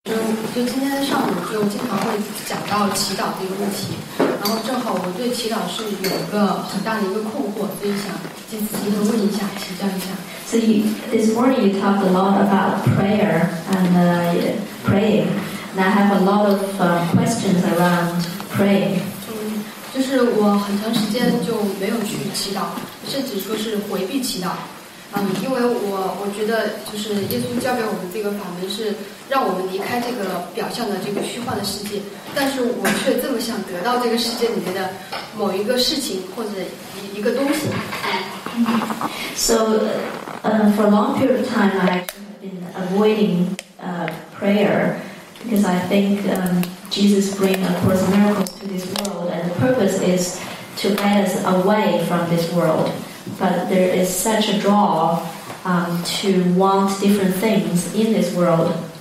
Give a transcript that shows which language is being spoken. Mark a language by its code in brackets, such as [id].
[zh] 就今天上午就经常会讲到祈祷这个问题，然后正好我对祈祷是有一个很大的一个困惑，所以想借此机会问一下，请教一下。 [en] So you, this morning you talked a lot about prayer and praying, and I have a lot of questions around praying. [zh] 就是我很长时间就没有去祈祷，甚至说是回避祈祷。因为我觉得就是耶稣教给我们这个法门是让我们离开这个表象的这个虚幻的世界，但是我却这么想得到这个世界里面的某一个事情或者一个东西。 [en] So, for a long period of time, I've been avoiding prayer because I think Jesus bring a course of miracles to this world, and the purpose is to get us away from this world. But there is such a draw to want different things in this world.